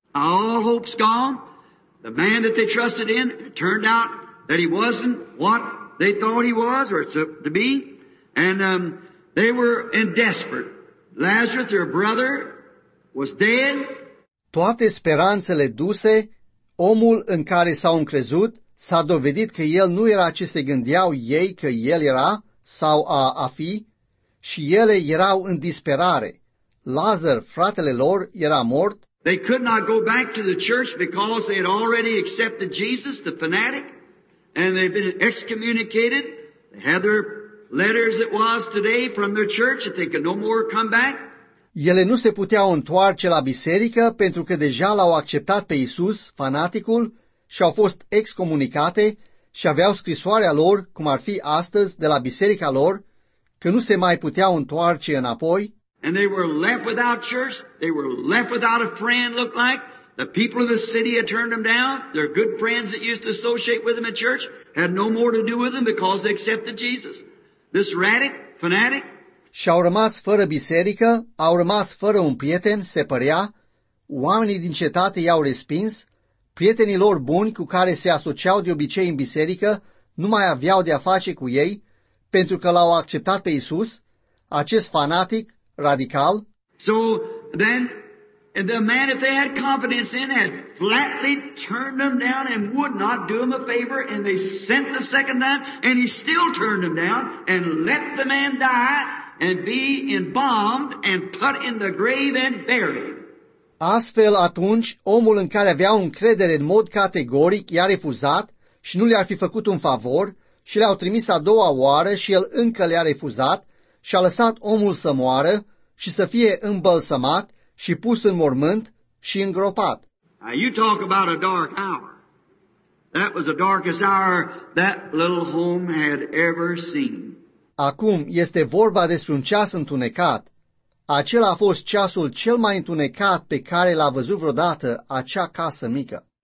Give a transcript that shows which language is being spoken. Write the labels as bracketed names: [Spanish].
[English] All hope's gone. The man that they trusted in turned out that he wasn't what they thought he was or to be. And They were in desperate. Lazarus, their brother, was dead. [Romanian] Toate speranțele duse, omul în care s-au încrezut, s-a dovedit că el nu era ce se gândeau ei că el era sau a fi, și ele erau în disperare. Lazar, fratele lor, era mort. [English] They could not go back to the church because they had already accepted Jesus, the fanatic, and they had been excommunicated. They had their letters, it was today, from their church that they could no more come back. [Romanian] Ele nu se puteau întoarce la biserică pentru că deja l-au acceptat pe Iisus, fanaticul, și au fost excomunicate și aveau scrisoarea lor, cum ar fi astăzi, de la biserica lor, că nu se mai puteau întoarce înapoi. [English] And they were left without church, they were left without a friend, looked like. The people of the city had turned them down, their good friends that used to associate with them at church had no more to do with them because they accepted Jesus. This radic, fanatic. [Romanian] Și au rămas fără biserică, au rămas fără un prieten, se părea, oamenii din cetate i-au respins, prietenii lor buni cu care se asociau de obicei în biserică nu mai aveau de-a face cu ei pentru că l-au acceptat pe Iisus, acest fanatic radical. [English] So then the man that they had confidence in had flatly turned them down and would not do them a favor, and they sent the second time and he still turned them down and let the man die and be embalmed and put in the grave and buried. [Romanian] Astfel, atunci, omul în care avea încredere în mod categoric i-a refuzat și nu le-ar fi făcut un favor și le-au trimis a doua oară și el încă le-a refuzat și a lăsat omul să moară și să fie îmbălsămat și pus în mormânt și îngropat. [English] Now you talk about a dark hour. That was the darkest hour that little home had ever seen. [Romanian] Acum este vorba despre un ceas întunecat. Acela a fost ceasul cel mai întunecat pe care l-a văzut vreodată acea casă mică.